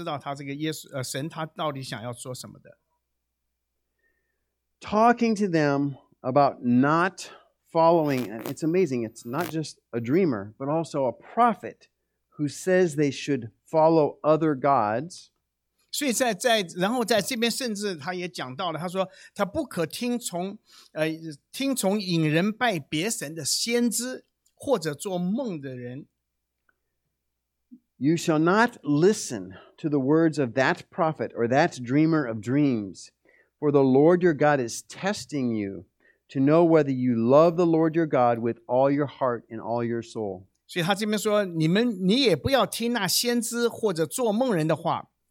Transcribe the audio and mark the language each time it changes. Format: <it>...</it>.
<zh>但是在这边，在这个意中，这个翻译这个字跟别的书上不太一样。但是呢，但是你知道他这个耶稣神他到底想要说什么的。</zh> <en>Talking to them about not following, and it's amazing, it's not just a dreamer, but also a prophet who says they should follow other gods.</en> <zh>所以在这边甚至他也讲到了，他说他不可听从引人拜别神的先知或者做梦的人。</zh> <en>You shall not listen to the words of that prophet or that dreamer of dreams, for the Lord your God is testing you to know whether you love the Lord your God with all your heart and all your soul.</en> <zh>所以他这边说，你也不要听那先知或者做梦人的话。</zh>